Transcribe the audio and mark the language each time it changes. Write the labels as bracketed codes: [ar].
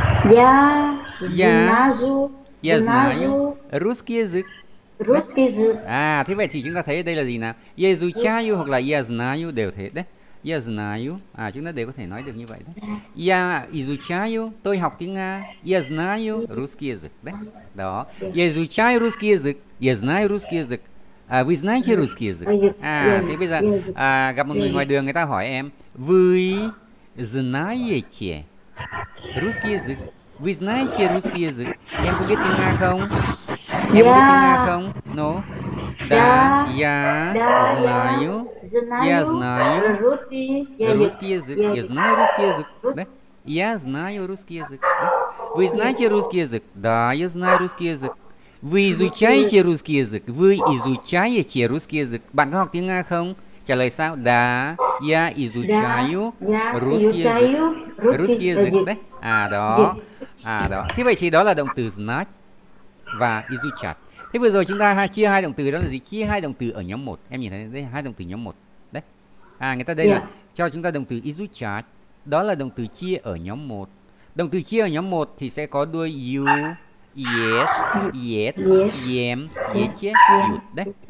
[ru] Я знаю. Я знаю русский язык. Русский язык. [vi] À, thế vậy thì chúng ta thấy đây là gì nào? [ru] Я изучаю [vi] hoặc là [ru] я знаю [vi] đều thế đấy. [ru] Я знаю. [vi] À, chúng ta đều có thể nói được như vậy đấy. [ru] Я изучаю, [vi] tôi học tiếng Nga. [ru] Я знаю русский язык. Đấy. Đó. Я изучаю русский язык. Я знаю русский язык. À, vì знаете русский язык? [vi] À, thế bây giờ gặp một người ngoài đường người ta hỏi em, [ru] вы знаете русский язык? Вы знаете русский язык? [vi] Em có biết tiếng Nga không? Em có biết tiếng Nga không? [ru] No. Да, я знаю. Я Знаю знаю русский язык. Я знаю русский язык. Да? Я знаю русский язык. Да? Вы знаете русский язык? Да, я знаю русский язык. Вы изучаете русский язык? Вы изучаете русский язык? [vi] Bạn có học tiếng Nga không? Trả lời sao? [ru] Да, я изучаю русский язык. Русский язык, изучаю [vi] đấy. À [ru] русский [vi] đó. À đó. Thế vậy thì đó là động từ знать và изучать. Thế vừa rồi chúng ta chia hai động từ đó là gì? Chia hai động từ ở nhóm 1. Em nhìn thấy đây, hai động từ nhóm 1. Đấy. À người ta đây là cho chúng ta động từ изучать. Đó là động từ chia ở nhóm 1. Động từ chia ở nhóm 1 thì sẽ có đuôi you, yes, yet, yem, yeche, yut. Đấy.